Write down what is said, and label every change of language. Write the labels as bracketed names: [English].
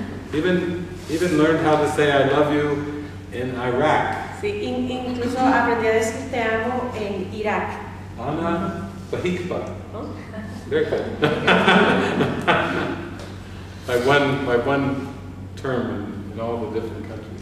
[English] Even learned how to say I love you in Iraq. [Spanish] Sí, incluso aprendí a decir te amo en Irak. [Arabic] Ana Bahikba. Oh. [English] Very good. My one term in all the different countries.